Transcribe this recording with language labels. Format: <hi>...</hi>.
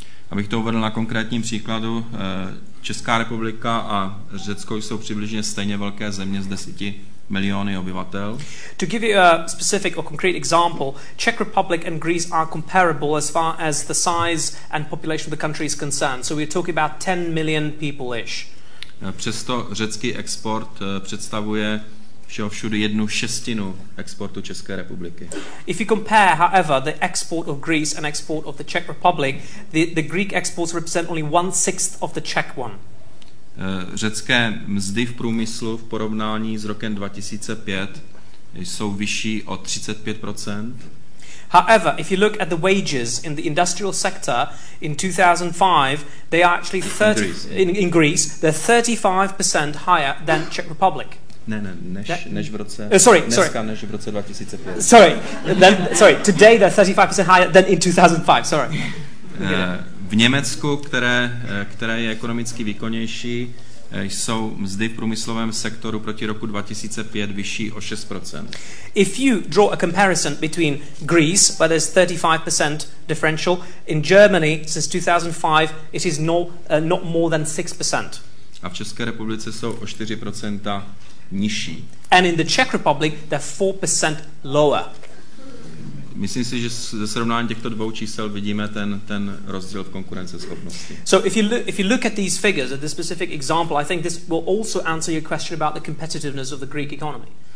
<cs>Abych to uvedl na konkrétním příkladu, Česká republika a Řecko jsou přibližně stejně velké země z 10 miliony obyvatel.</cs> <en>To give you a specific or concrete example, Czech Republic and Greece are comparable as far as the size and population of the country is concerned. So we're talking about 10 million people-ish.</en> <cs>Přesto řecký export představuje všeovšudy 1/6 exportu České republiky.</cs> <en>If you compare, however, the export of Greece and export of the Czech Republic, the Greek exports represent only 1/6 of the Czech one.</en> <cs>Řecké mzdy v průmyslu v porovnání s rokem 2005 jsou vyšší o 35%.</cs> <en>However, if you look at the wages in the industrial sector in 2005, they are actually 30 in Greece, they're 35% higher than Czech Republic. Today they're 35% higher than in 2005. Sorry.</en> <cs>V Německu, které je ekonomicky výkonnější, jsou mzdy v průmyslovém sektoru proti roku 2005 vyšší o 6%.</cs> <en>If you draw a comparison between Greece, where there's 35% differential, in Germany since 2005 it is not more than 6%.</en> <cs>A v České republice jsou o 4% nižší.</cs> <en>And in the Czech Republic they're 4% lower.</en> <cs>Myslím si, že ze srovnání těchto dvou čísel vidíme ten rozdíl v konkurenceschopnosti.</cs> <en>So if you look at these figures, at this specific example, I think this will also answer your question about the competitiveness of the Greek economy.</en>